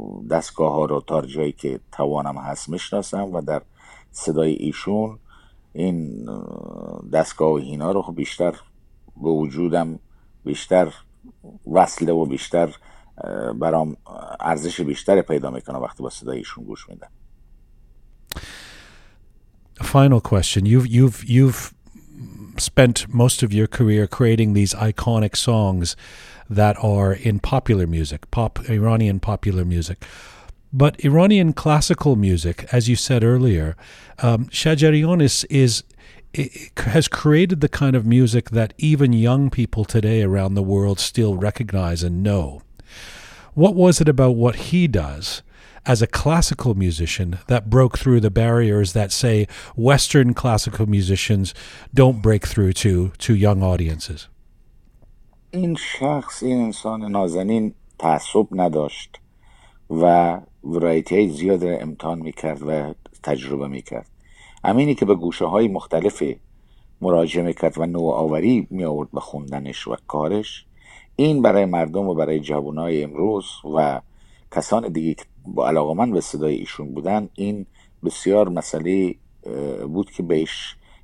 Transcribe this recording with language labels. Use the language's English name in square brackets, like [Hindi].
[Persian] دستگاه ها رو تا جایی که توانم هست میشناسم و در صدای ایشون این دستگاه و هینا رو بیشتر به وجودم بیشتر وصله و بیشتر برام ارزش بیشتر پیدا میکنم وقتی با صدای ایشون گوش میدم. [English] Final question. You've spent most of your career creating these iconic songs that are in popular music, pop Iranian popular music. But Iranian classical music, as you said earlier, Shajarian has created the kind of music that even young people today around the world still recognize and know. What was it about what he does as a classical musician that broke through the barriers that say Western classical musicians don't break through to young audiences? [Persian] این شخص این انسان نازنین تعصب نداشت و ورایتی زیاد را امتحان میکرد و تجربه میکرد امینی که به گوشه های مختلف مراجعه میکرد و نوآوری میآورد به خوندنش و کارش این برای مردم و برای جوانای امروز و کسان دیگه که با علاقه من به صدای ایشون بودن این بسیار مسئله بود که بهش